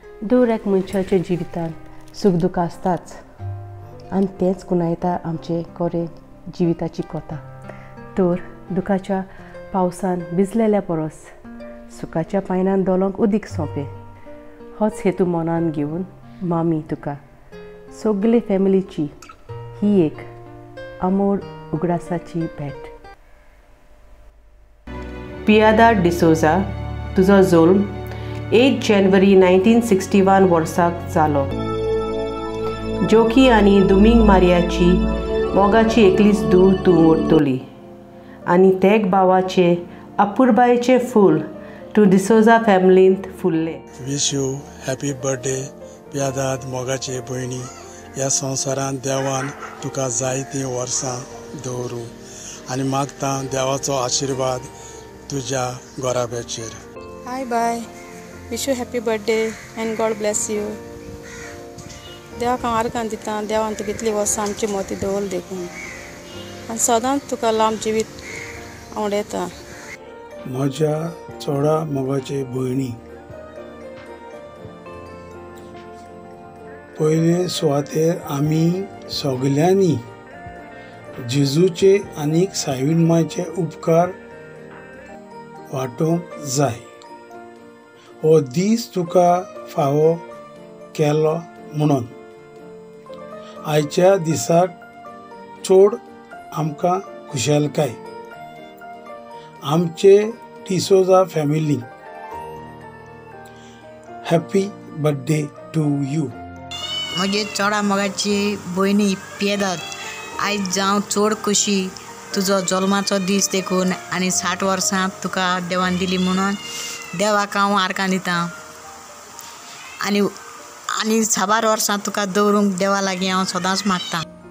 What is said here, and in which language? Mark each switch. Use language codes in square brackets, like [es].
[kok] दर एक मनशाच्या जिवितांत सुख दुख आसताच आनी तेंच गुणायता आमचे खरे जिविताची कथा. तर दुखाच्या पावसान भिजलेल्या परस सुखाच्या पायनान दोळ्यांक उदीक सोंपें होच हेतू मनान घेवन मामी तुका सगळे फॅमिलीची ही एक अमोड उगडासाची भेट. पियादा डिसोजा तुजो जल्म 8 जानेवारी 1961 वर्साक जालो. जोकी आनी दुमींग मारियाची मोगाची एकलीच धूव तूं ओडतली आनी तेग भावाचे अपुरबायेचे फूल तूं डिसोजा फॅमिलींत फुल्ले. [en] wish you happy birthday पियादाद [kok] मोगाचे भयणी. ह्या संवसारांत देवान तुका जायतीं वर्सां दवरूं आनी मागतां देवाचो आशिर्वाद तुज्या घराब्याचेर. [en] Hi bye wish you happy birthday and God bless you. [kok] देवाक हांव आर्गां दितां देवान तुका इतली वर्सां आमची मोती दवरली देखून आनी सदांच तुका लांब जिवीत आवडेता. म्हज्या चोडा मोगाचे भयणी पयले सुवातेर आमी सगळ्यांनी जिजूचे आनीक सायवीनमायचे उपकार वाटूंक जाय. हो दीस तुका फावो केलो म्हणून आयच्या दिसाक चड आमकां खुशालकाय. आमचे [en] D'Souza family happy birthday to you. [kok] म्हजे चोडा मोगाची भयणी पियादाद आयज जावं चड खुशी तुजो जल्माचो दीस देखून आनी 60 वर्सां तुका देवान दिली म्हणून देवाक हांव आर्गां दिता आनी 100 वर्सां तुका दवरूंक देवा लागीं हांव सदांच मागता.